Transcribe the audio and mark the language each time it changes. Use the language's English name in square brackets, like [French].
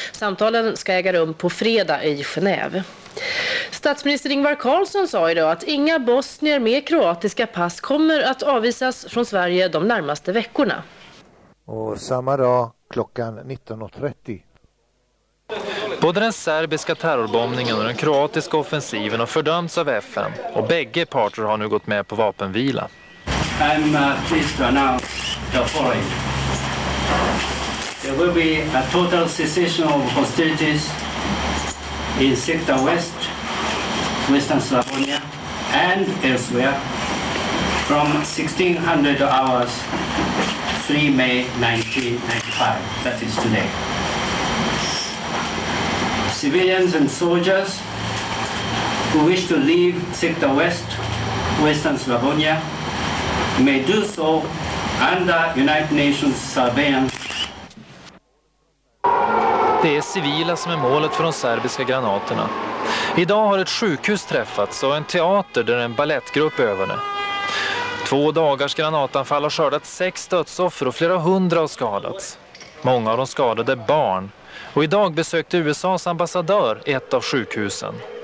[Swedish] Samtalen ska äga rum på fredag i Genève. Statsminister Ingvar Carlsson sa idag att inga bosnier med kroatiska pass kommer att avvisas från Sverige de närmaste veckorna. Och samma dag klockan 19.30. Både den serbiska terrorbombningen och den kroatiska offensiven har fördömts av FN och bägge parter har nu gått med på vapenvila. [English] I'm pleased to announce the following. There will be a total cessation of hostilities in Sector West, Western Slavonia and elsewhere from 1600 hours 3 May 1995, that is today. Civilians and soldiers who wish to leave Sector West, Western Slavonia may do so under United Nations surveillance. [Swedish] Det är civila som är målet för de serbiska granaterna. Idag har ett sjukhus träffats och en teater där en ballettgrupp övade. Två dagars granatanfall har skördat 6 dödsoffer och flera hundra har skadats. Många av de skadade är barn. Och idag besökte USA:s ambassadör ett av sjukhusen.